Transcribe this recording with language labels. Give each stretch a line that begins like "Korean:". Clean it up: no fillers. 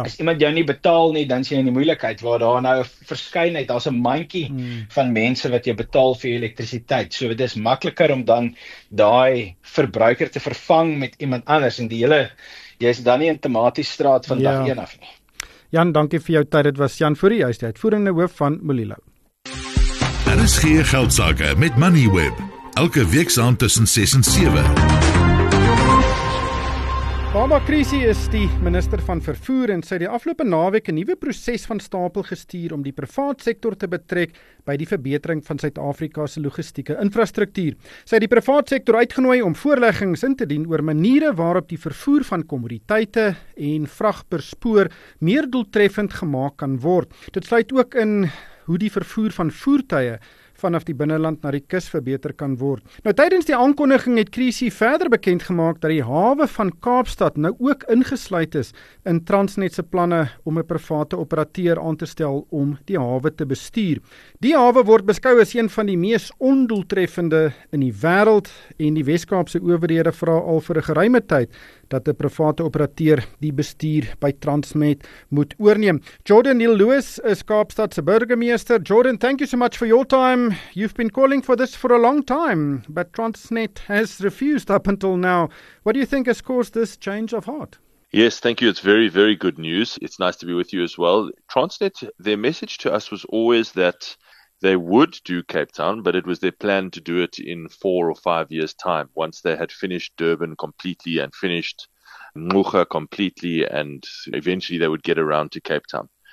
Afrikaans: As iemand jou nie betaal nie, dan sien jy die moeilikheid waar daar nou 'n verskynheid, daar's 'n mandjie van mense wat jy betaal vir jou elektrisiteit. So dit is makliker om dan daai verbruiker te vervang met iemand anders, en die hele jy is dan nie in tematiese straat van dag 1 af nie. Jan, dankie vir jou tyd. Dit was Jan Fourie, hy is die uitvoerende hoof van Mulilo. Daar is geen geldsaake met Moneyweb. Elke week saam tussen 6 en 7. Baba Krisi is die minister van vervoer en sy die afgelope naweek 'n nuwe proses van stapel gestuur om die privaat sektor te betrek by die verbetering van Suid-Afrika se logistieke infrastruktuur. Sy het die privaat sektor uitgenooi om voorleggings in te dien oor maniere waarop die vervoer van kommoditeite en vrag per spoor meer doeltreffend gemaak kan word. Dit sluit ook in hoe die vervoer van voertuie vanaf die binneland na die kus verbeter kan word. Nou, tydens die aankondiging het Krisi verder bekend gemaak dat die hawe van Kaapstad nou ook ingesluit is in Transnet se planne om 'n private operateur aan te stel om die hawe te bestuur. Die hawe word beskou as een van die mees ondoeltreffende in die wêreld, en die Wes-Kaapse owerhede vra al vir 'n geruime tyd dat 'n private operateur die bestuur by Transnet moet oorneem. Jordan Neil Lewis is Kaapstad se burgemeester.
English: Jordan, thank you so much for your time. You've been calling for this for a long time, but Transnet has refused up until now. What do you think has caused this change of heart? Yes, thank you. It's very, very good news. It's nice to be with you as well. Transnet, their message to us was always that they would do Cape Town, but it was their plan to do it in 4 or 5 years' time, once they had finished Durban completely and finished Mocha completely, and eventually they would get around to Cape Town.